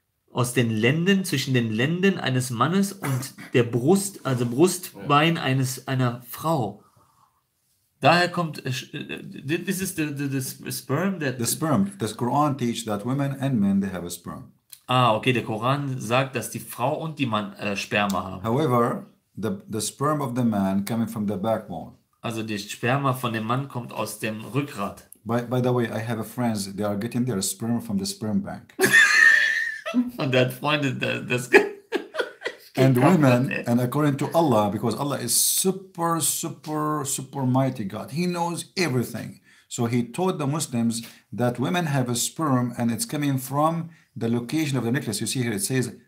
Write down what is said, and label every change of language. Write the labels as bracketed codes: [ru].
[de] Aus den Lenden, zwischen den Lenden eines Mannes und der Brust, also Brustbein einer Frau. Daher kommt, [en] this is the sperm that... The sperm. The Quran teaches that women and men, they have a sperm. [de] Ah, okay, der Koran sagt, dass die Frau und die Mann Sperma haben. [en] However... The sperm of the man coming from the backbone. [de] Also der Sperma von dem Mann kommt aus dem Rückgrat. [en] By the way, I have a friend, they are getting their sperm from the sperm bank. [de] Und der Freund, das [en] and women, and according to Allah, because Allah is super, super, super mighty God. He knows everything. So he taught the Muslims that women have a sperm and it's coming from the location of the necklace. You see here, it says...